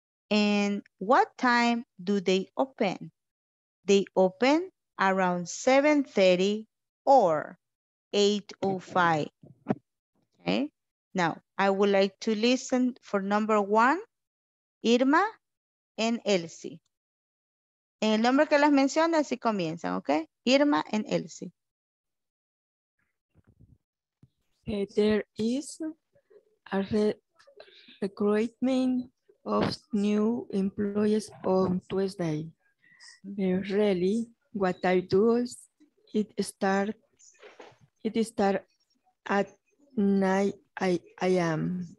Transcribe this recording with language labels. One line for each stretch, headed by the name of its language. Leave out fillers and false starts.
English: And what time do they open? They open around 7:30 or 8:05. Okay. Now, I would like to listen for number one, Irma and Elsie.
Spanish: En el nombre que las menciona, así comienzan, ¿ok?
English: Irma and Elsie. There is a recruitment of new employees on Tuesday. Really, what I do is it start at 9 a.m.